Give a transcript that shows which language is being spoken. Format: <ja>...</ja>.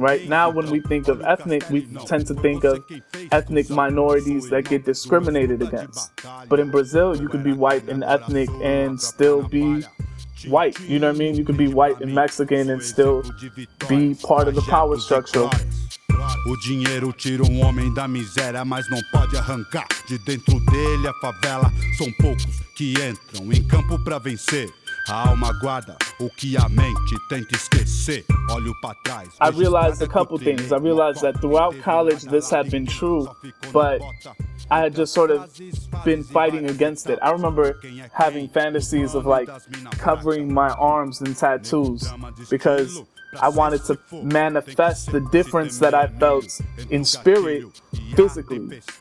<en>Right now, when we think of ethnic, we tend to think of ethnic minorities that get discriminated against. But in Brazil, you could be white and ethnic and still be white. You know what I mean? You could be white and Mexican and still be part of the power structure.</en> <pt>O dinheiro tira um homem da miséria, mas não pode arrancar de dentro dele a favela. São poucos que entram em campo pra vencer. A alma guarda o que a mente tenta esquecer. Olho pra trás.</pt> <en>I realized a couple things. I realized that throughout college this had been true, but I had just sort of been fighting against it. I remember having fantasies of like covering my arms in tattoos because I wanted to manifest the difference that I felt in spirit, physically.</en>